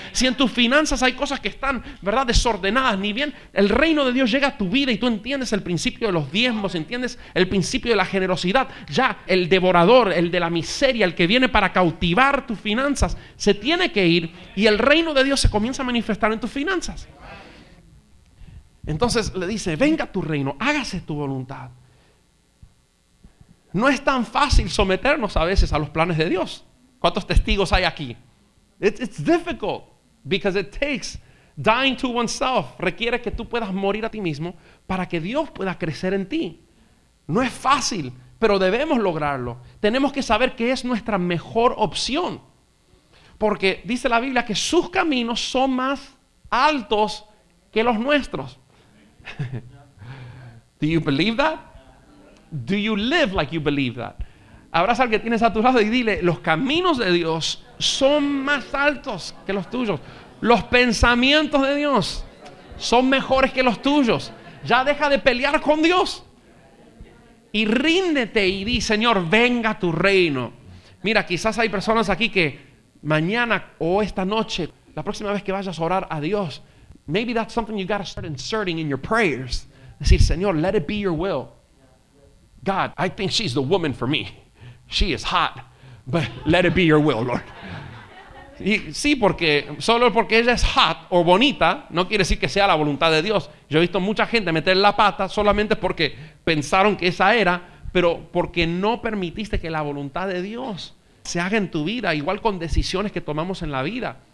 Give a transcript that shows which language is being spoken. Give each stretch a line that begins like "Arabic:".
Spanish: Si en tus finanzas hay cosas que están, ¿verdad?, desordenadas, ni bien el reino de Dios llega a tu vida y tú entiendes el principio de los diezmos, entiendes el principio de la generosidad, ya el devorador, el de la miseria, el que viene para cautivar tus finanzas, se tiene que ir y el reino de Dios se comienza a manifestar en tus finanzas. Entonces le dice: venga tu reino, hágase tu voluntad. No es tan fácil someternos a veces a los planes de Dios. ¿Cuántos testigos hay aquí?
English: It's difficult because it takes dying to oneself.
Spanish: Requiere que tú puedas morir a ti mismo para que Dios pueda crecer en ti. No es fácil, pero debemos lograrlo. Tenemos que saber qué es nuestra mejor opción. Porque dice la Biblia que sus caminos son más altos que los nuestros.
English: Do you believe that? Do you live like you believe that?
Spanish: Abraza al que tienes a tu lado y dile: los caminos de Dios son más altos que los tuyos. Los pensamientos de Dios son mejores que los tuyos. Ya deja de pelear con Dios y ríndete y di: Señor, venga tu reino. Mira, quizás hay personas aquí que mañana o esta noche, la próxima vez que vayas a orar a Dios,
English: maybe that's something you got to start inserting in your prayers.
Spanish: Decir:
English: Señor, let it be your will. God, I think she's the woman for me. She is hot, but let it be your will, Lord.
Spanish: Y, sí, porque solo porque ella es hot o bonita no quiere decir que sea la voluntad de Dios. Yo he visto mucha gente meter la pata solamente porque pensaron que esa era, pero porque no permitiste que la voluntad de Dios se haga en tu vida, igual con decisiones que tomamos en la vida.